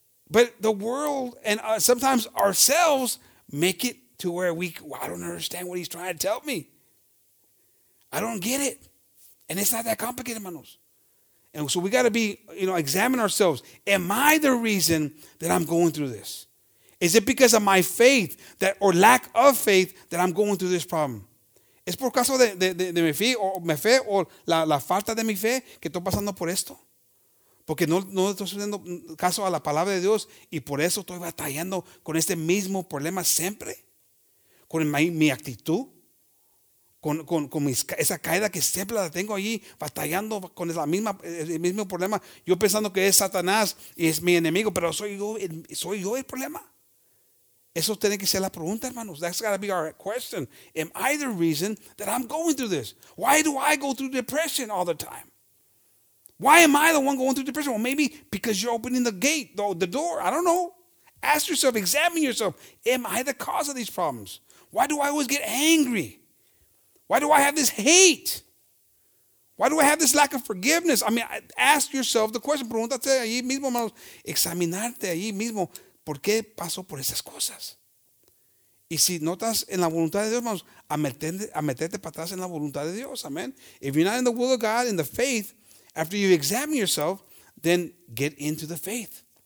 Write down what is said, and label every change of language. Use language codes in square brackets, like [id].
[en] But the world and sometimes ourselves make it to where I don't understand what he's trying to tell me. I don't get it. And it's not that complicated, manos. And so we got to be, examine ourselves. Am I the reason that I'm going through this? Is it because of my faith that or lack of faith that I'm going through this problem? [es] ¿Es por caso de mi fe o la falta de mi fe que estoy pasando por esto? Porque no estoy haciendo caso a la palabra de Dios y por eso estoy batallando con este mismo problema siempre. Con mi actitud. Con esa caída que siempre la tengo allí batallando con el mismo problema. Yo pensando que es Satanás y es mi enemigo, pero soy yo el problema. Eso tiene que ser la pregunta, hermanos. [en] That's got to be our question. Am I the reason that I'm going through this? Why do I go through depression all the time? Why am I the one going through depression? Well, maybe because you're opening the gate, the door. I don't know. Ask yourself, examine yourself. Am I the cause of these problems? Why do I always get angry? Why do I have this hate? Why do I have this lack of forgiveness? I mean, ask yourself the question. [es] Pregúntate ahí mismo, hermanos. Examinarte ahí mismo. ¿Por qué paso por esas cosas? Y si no estás en la voluntad de Dios, hermanos, a meterte para atrás en la voluntad de Dios. [en] Amen. If you're not in the will of God, in the faith, after you examine yourself, then get into the faith.